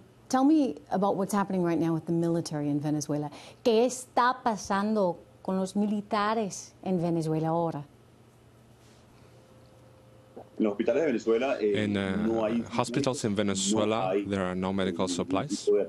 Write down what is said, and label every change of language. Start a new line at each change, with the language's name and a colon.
English: Tell me about what's happening right now with the military in Venezuela.
Spanish: ¿Qué está pasando con los militares en Venezuela ahora?
English: In hospitals in Venezuela, there are no medical supplies.